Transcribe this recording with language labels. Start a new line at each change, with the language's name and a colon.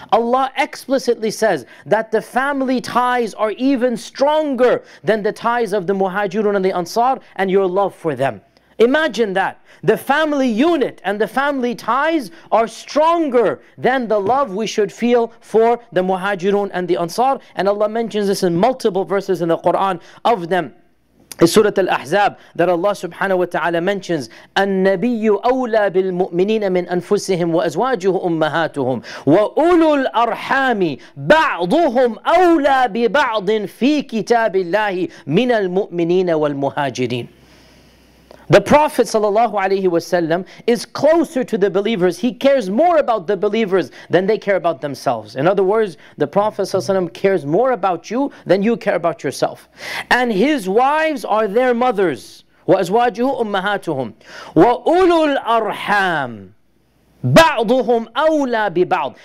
English: Allah explicitly says that the family ties are even stronger than the ties of the Muhajirun and the Ansar and your love for them. Imagine that. The family unit and the family ties are stronger than the love we should feel for the Muhajirun and the Ansar. And Allah mentions this in multiple verses in the Quran of them. In Surah Al-Ahzab, that Allah subhanahu wa ta'ala mentions,
Arabic: أَنَّبِيُّ أَوْلَى بِالْمُؤْمِنِينَ مِنْ أَنفُسِهِمْ وَأَزْوَاجُهُ أُمَّهَاتُهُمْ وَأُولُو الْأَرْحَامِ بَعْضُهُمْ أَوْلَى بِبَعْضٍ فِي كِتَابِ اللَّهِ مِنَ الْمُؤْمِنِينَ وَالْمُهَاجِرِينَ.
English: The Prophet sallallahu alaihi wasallam is closer to the believers. He cares more about the believers than they care about themselves. In other words, the Prophet sallallahu alaihi wasallam cares more about you than you care about yourself. And his wives are their mothers.
Arabic: وَأَزْوَاجُهُ أُمَّهَاتُهُمْ وَأُولُو الْأَرْحَامِ بَعْضُهُمْ أَوْلَى بِبَعْضٍ.